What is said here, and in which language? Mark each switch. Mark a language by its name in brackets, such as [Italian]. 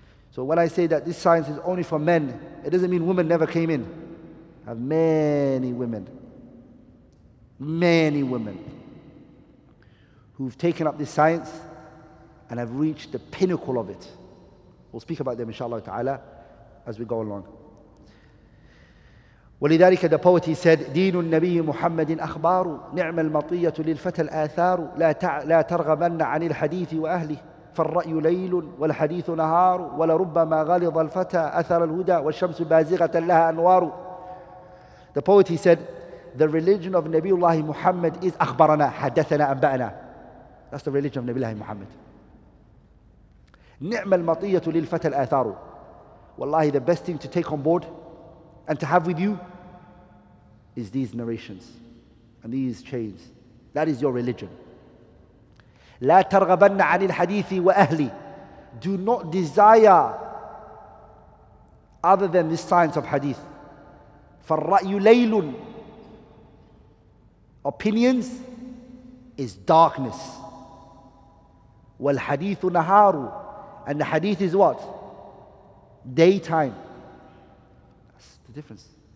[English] So when I say that this science is only for men, it doesn't mean women never came in. I have many women. Many women. Who've taken up this science and have reached the pinnacle of it. We'll speak about them, inshallah ta'ala, as we go along. [Arabic] ولذلك [English] the poet, he said, [Arabic] دين النبي محمد أخبار نعم المطية للفتى الآثار لا ترغبن عن الحديث وأهله فالرأي ليل والحديث نهار ولربما غلظ الفتى أثر الهدى والشمس بازغة لها أنوار. [English] The poet, he said, the religion of [Arabic] نبي الله محمد [English] is [Arabic] أخبرنا, حدثنا, أنبأنا. [English] That's the religion of [Arabic] نبي الله محمد. نعم المطية للفتى الآثار. [English] Wallahi, the best thing to take on board and to have with you is these narrations and these chains. That is your religion. [Arabic] لا ترغبن عن الحديث وأهلي. [English] Do not desire other than this science of hadith. [Arabic] فالرأي ليل. [English] Opinions is darkness. [Arabic] والحديث نهار. [English] And the hadith is what? Daytime. Difference.